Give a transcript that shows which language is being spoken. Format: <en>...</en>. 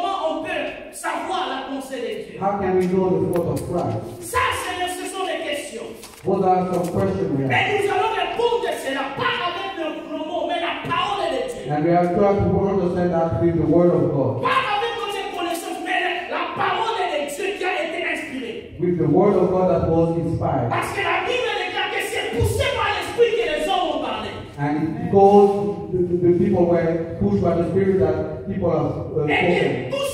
<en>How can we know the thought of Christ?</en> <fr>Ça, c'est ce sont les questions.</fr> <en>What are some questions we have?</en> <fr>Et nous allons répondre cela pas avec nos mots, mais la parole de Dieu.</fr> <en>And we are trying to understand that through the Word of God.</en> <fr>Pas avec nos connaissances, mais la parole de Dieu qui a été inspirée.</fr> <en>With the Word of God that was inspired.</en> <fr>Parce que la Bible déclare que c'est poussé par l'Esprit que les hommes ont parlé.</fr> <en>And it goes, the people were pushed by the Spirit that people have spoken.</en>